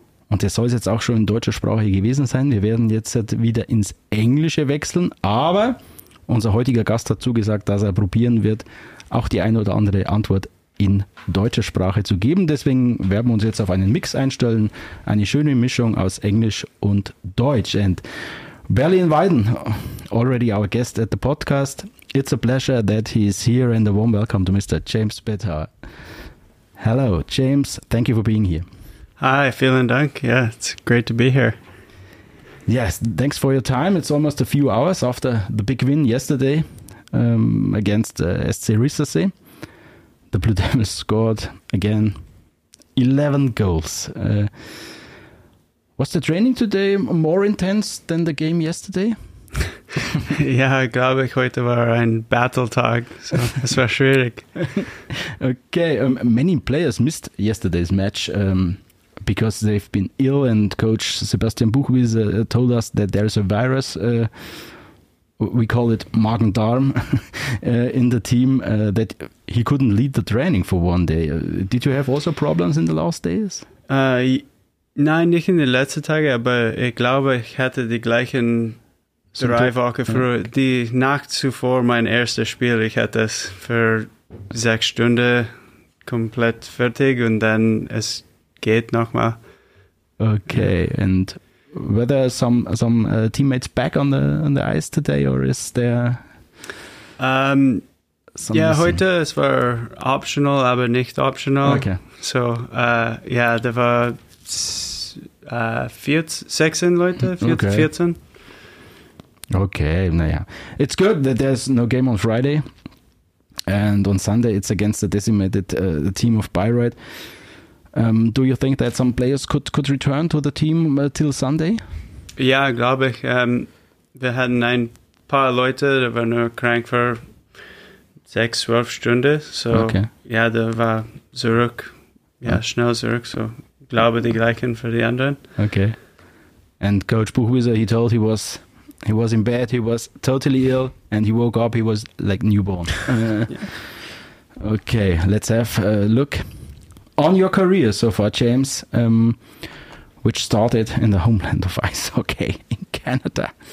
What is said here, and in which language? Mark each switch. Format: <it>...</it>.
<de>Und das soll es jetzt auch schon in deutscher Sprache gewesen sein. Wir werden jetzt wieder ins Englische wechseln, aber unser heutiger Gast hat zugesagt, dass er probieren wird, auch die eine oder andere Antwort in deutscher Sprache zu geben. Deswegen werden wir uns jetzt auf einen Mix einstellen, eine schöne Mischung aus Englisch und Deutsch.</de> <en>And Berlin Weiden, already our guest at the podcast. It's a pleasure that he is here and a warm welcome to Mr. James Bitter. Hello, James. Thank you for being here.</en> <de>Hi, vielen Dank.</de> <en>Yeah, it's great to be here. Yes, thanks for your time. It's almost a few hours after the big win yesterday against SC Rissasee. The Blue Devils scored again 11 goals. Was the training today more intense than the game yesterday?</en> <de>Ja, glaube ich, heute war ein Battle-Tag. So, es war schwierig.</de> <en>Okay, many players missed yesterday's match. Because they've been ill, and Coach Sebastian Buchwieser told us that there is a virus, we call it Magen-Darm, in the team, that he couldn't lead the training for one day. Did you have also problems in the last days?</en> <de>Nein, nicht in den letzten Tagen, aber ich glaube, ich hatte die gleichen drei Wochen für die Nacht zuvor mein erstes Spiel. Ich hatte es für 6 Stunden komplett fertig und dann es geht nochmal.</de> <en>Okay, and were there some teammates back on the ice today, or is there?</en> <de>Heute es war optional, aber nicht optional.</de> <en>Okay.</en> <de>So, da war 16 Leute, 14. Okay, naja.</de> <en>It's good that there's no game on Friday, and on Sunday it's against the decimated the team of Bayreuth. Do you think that some players could return to the team till Sunday?</en> <de>Ja, glaube ich. Wir hatten ein paar Leute, die waren nur krank für 6-12 Stunden. So, okay. Ja, da war zurück, ja, schnell zurück. So, glaube die gleichen für die anderen.</de> <en>Okay. And Coach Buchwieser, he told he was in bed, he was totally ill, and he woke up, he was like newborn. Yeah. Okay, let's have a look on your career so far, James, which started in the homeland of ice hockey in Canada.</en>